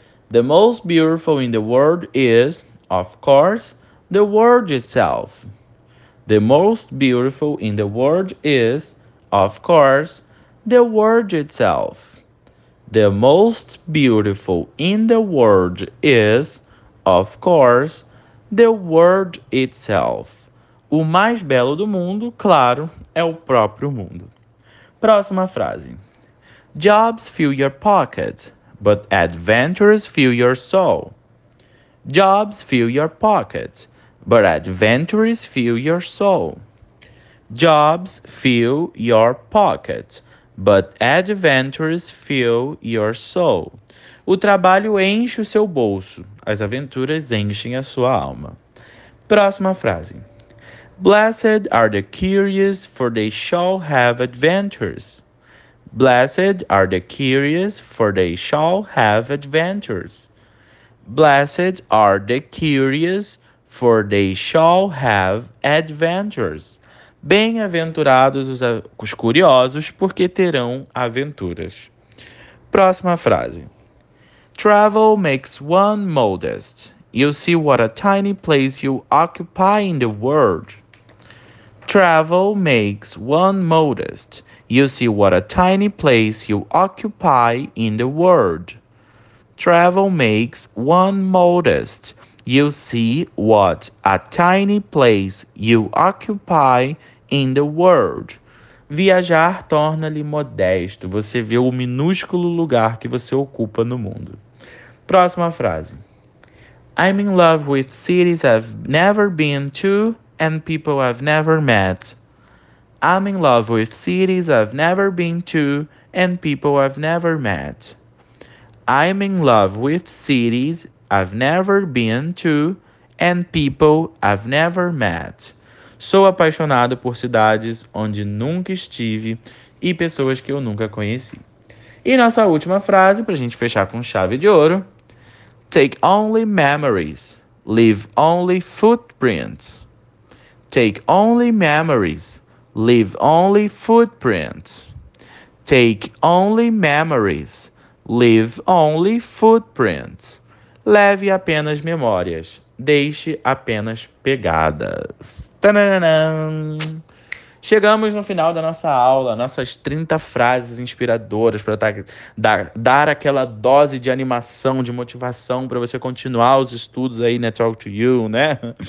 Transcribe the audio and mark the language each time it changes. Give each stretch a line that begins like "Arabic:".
English: The most beautiful in the world is, of course, the world itself. The most beautiful in the world is, of course, the world itself. The most beautiful in the world is, of course, the world itself.
Portuguese: O mais belo do mundo, claro, é o próprio mundo. Próxima frase.
English: Jobs fill your pocket, but adventures fill your soul. Jobs fill your pocket, but adventures fill your soul. Jobs fill your pocket, but adventures fill your soul.
Portuguese: O trabalho enche o seu bolso, as aventuras enchem a sua alma. Próxima frase.
English: Blessed are the curious, for they shall have adventures. Blessed are the curious, for they shall have adventures. Blessed are the curious, for they shall have adventures.
Portuguese: Bem-aventurados os curiosos, porque terão aventuras. Próxima frase.
English: Travel makes one modest. You see what a tiny place you occupy in the world. Travel makes one modest. You see what a tiny place you occupy in the world. Travel makes one modest. You see what a tiny place you occupy in the world.
Portuguese: Viajar torna-lhe modesto. Você vê o minúsculo lugar que você ocupa no mundo. Próxima frase.
English: I'm in love with cities I've never been to and people I've never met. I'm in love with cities I've never been to and people I've never met. I'm in love with cities I've never been to and people I've never met.
Portuguese: Sou apaixonado por cidades onde nunca estive e pessoas que eu nunca conheci. E nossa última frase, para a gente fechar com chave de ouro.
English: Take only memories, leave only footprints. Take only memories, leave only footprints. Take only memories, leave only footprints.
Portuguese: Leve apenas memórias, deixe apenas pegadas. Tananana. Chegamos no final da nossa aula, nossas 30 frases inspiradoras para dar aquela dose de animação, de motivação para você continuar os estudos aí na Talk to You, né?